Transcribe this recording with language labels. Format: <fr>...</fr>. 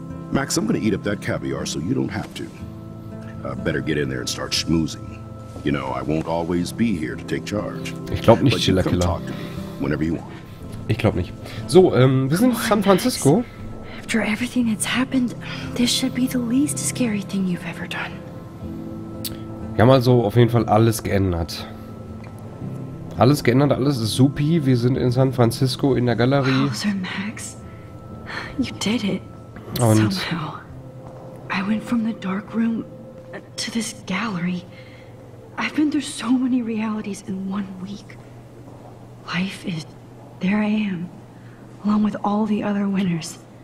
<en>Max, I'm gonna eat up that caviar so you don't have to. Better get in there and start schmoozing. You know, I won't always be here to take charge.</en> <de>Ich glaube nicht, Chilla Killer.</de> <en>Talk to me whenever you want.</en> <de>Ich glaube nicht. So, wir sind in San Francisco.</de> <en>After everything that's happened, this should be the least scary thing you've ever done.</en> <de>Wir haben also auf jeden Fall alles geändert. Alles geändert, alles ist supi. Wir sind in San Francisco in der Galerie.</de> <en>Oh, Sir Max, you did it.</en> <de>Und</de> <en>somehow, I went from the dark room to this gallery. I've been through so many realities in one week. Life is, there I am, along with all the other winners.</en>